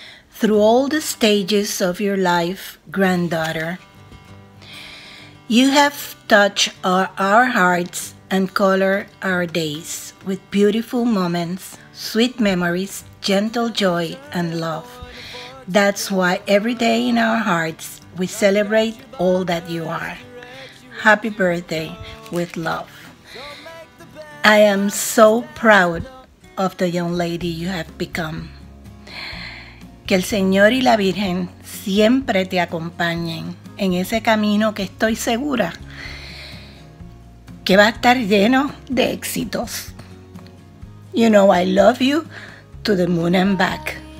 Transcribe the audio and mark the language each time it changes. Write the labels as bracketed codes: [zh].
[en] Through all the stages of your life, granddaughter, you have touched our hearts and colored our days with beautiful moments, sweet memories, gentle joy, and love. That's why every day in our hearts, we celebrate all that you are. Happy birthday with love. I am so proud of the young lady you have become. [es] Que el Señor y la Virgen siempre te acompañen en ese camino que estoy segura que va a estar lleno de éxitos. [en] You know I love you to the moon and back.